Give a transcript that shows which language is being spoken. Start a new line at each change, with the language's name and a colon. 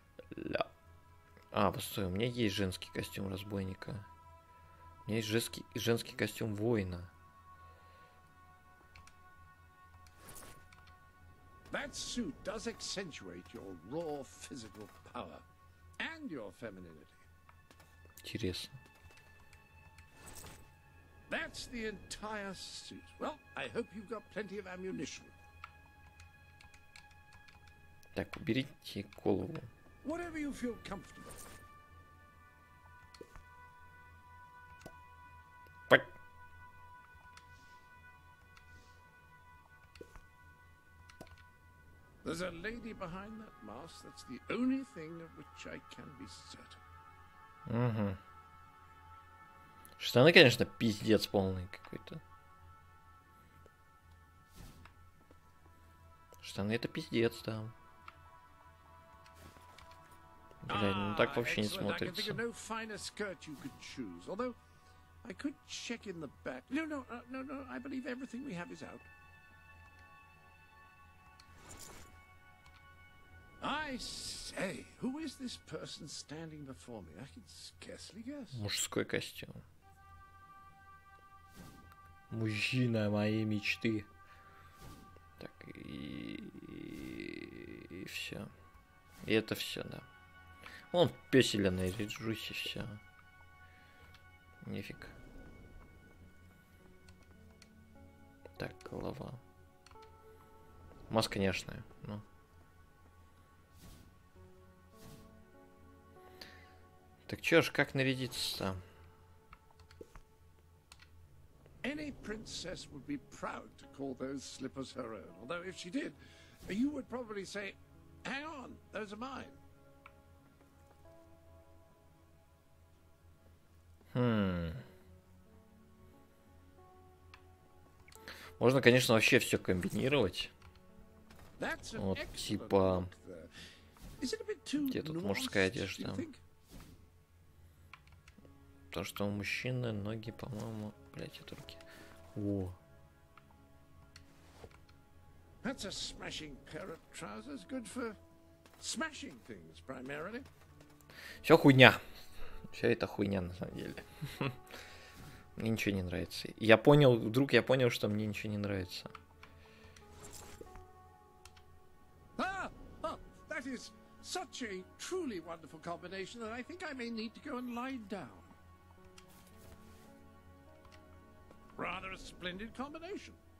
Russian: Ля. А, постой, у меня есть женский костюм разбойника. У меня есть женский костюм воина.
English: That suit does accentuate your raw physical power and your femininity.
Russian: Интересно.
English: That's the entire suit. Well, I hope you've got plenty of ammunition.
Russian: Так, уберите голову.
English: Whatever you feel comfortable. There's a lady behind that mask. That's the only thing of which I can be certain. Угу.
Russian: Штаны, конечно, пиздец полный какой-то. Штаны это пиздец там. Да. Блядь, ну так вообще не смотрится.
English: I think of no finer skirt you could choose. Although I could check in the back. No. I believe everything we have is out. I say, who is this person standing before me? I can scarcely guess.
Russian: Мужской костюм. Мужчина моей мечты. Так, и все. И это все, да. Он в песеле наряжусь и все. Нифиг. Так, голова. Маска, конечно, но. Так чё ж, как нарядиться-то?
English: Any princess would be proud to call those slippers her own. Although if she did, you would probably say, "Hang on, those are mine."
Russian: Можно, конечно, вообще все комбинировать. Вот типа. Где тут мужская одежда? То, что у мужчины ноги, по-моему, блять, это руки. О.
English: That's a smashing pair of trousers, good for smashing things primarily.
Russian: Все хуйня. Все это хуйня на самом деле. Мне ничего не нравится. Я понял, вдруг я понял, что мне ничего не нравится.
English: That is such a truly wonderful combination that I think I may need to go and lie down. Rather a splendid combination.